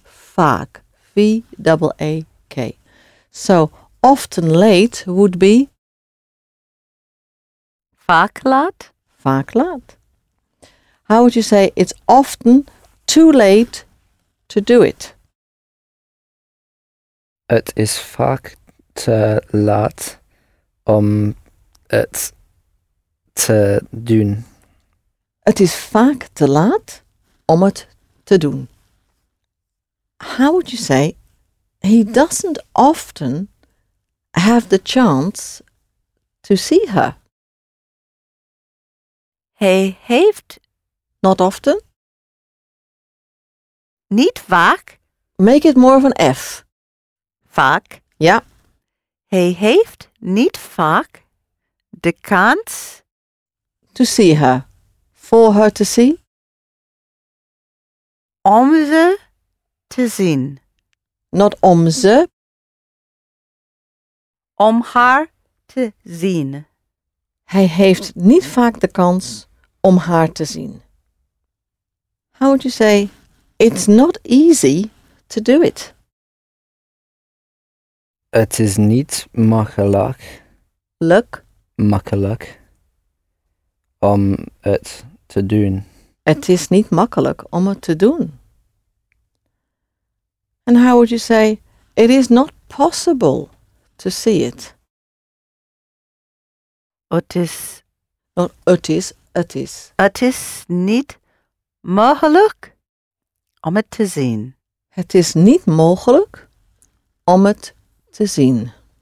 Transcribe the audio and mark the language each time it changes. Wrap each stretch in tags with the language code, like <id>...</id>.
<nl>Vaak. VAAK.</nl> <en>So often late would be</en> <nl>Vaak laat. vaak laat.</nl> <en>How would you say it's often too late to do it?</en> <nl>Het is vaak te laat om het te doen. Het is vaak te laat om het te doen.</nl> <en>How would you say he doesn't often have the chance to see her?</en> <nl>Hij heeft</nl> <en>Not often.</en> <nl>niet vaak,</nl> <en>Make it more of an F.</en> <nl>vaak.</nl> <en>Yeah.</en> <nl>Hij heeft niet vaak de kans</nl> <en>To see her. For her to see.</en> <nl>om ze te zien,</nl> <en>Not</en> <nl>om ze. om haar te zien. Hij heeft niet vaak de kans om haar te zien.</nl> <en>How would you say, it's not easy to do it?</en> <nl>Het is niet makkelijk,</nl> <en>Look.</en> <nl>om het te doen. Het is niet makkelijk om het te doen.</nl> <en>And how would you say, it is not possible to see it? Otis. Not it is, it is.</en> <nl>Het is niet mogelijk om het te zien. Het is niet mogelijk om het te zien.</nl>